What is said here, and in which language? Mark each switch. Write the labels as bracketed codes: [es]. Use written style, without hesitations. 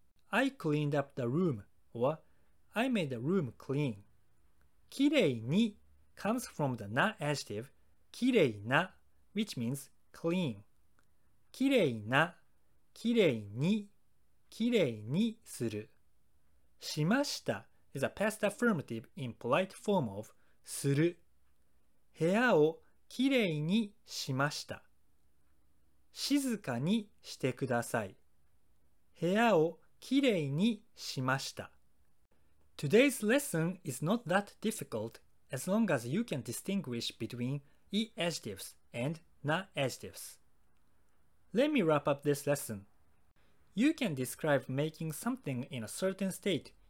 [en] I cleaned up the room, or I made the room clean. きれいに comes from the な adjective, きれいな, which means clean. [ja] きれいな、きれいに、きれいにする。 [en] しました is a past affirmative in polite form of する。 [ja] 部屋をきれいにしました。静かにしてください。部屋をきれいにしました。 [en] Today's lesson is not that difficult as long as you can distinguish between い adjectives and な adjectives. Let me wrap up this lesson. You can describe making something in a certain state.